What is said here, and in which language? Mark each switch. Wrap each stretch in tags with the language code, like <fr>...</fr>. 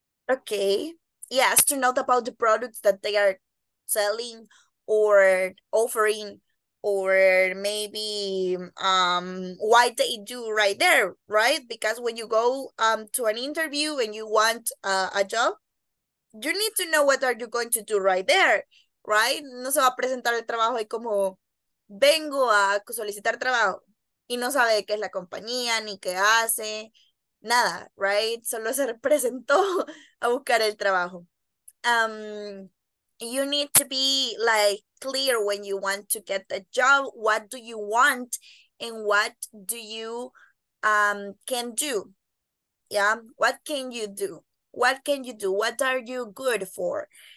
<en>Okay, yes, to know about the products that they are selling or offering, or maybe why they do right there, right? Because when you go to an interview and you want a job, you need to know what are you going to do right there, right?</en> <es>No se va a presentar el trabajo y como vengo a solicitar trabajo y no sabe qué es la compañía ni qué hace, nada, right? Solo se presentó a buscar el trabajo.</es> <en>You need to be like clear when you want to get the job, what do you want and what do you can do. Yeah, what can you do? What can you do? What are you good for?</en>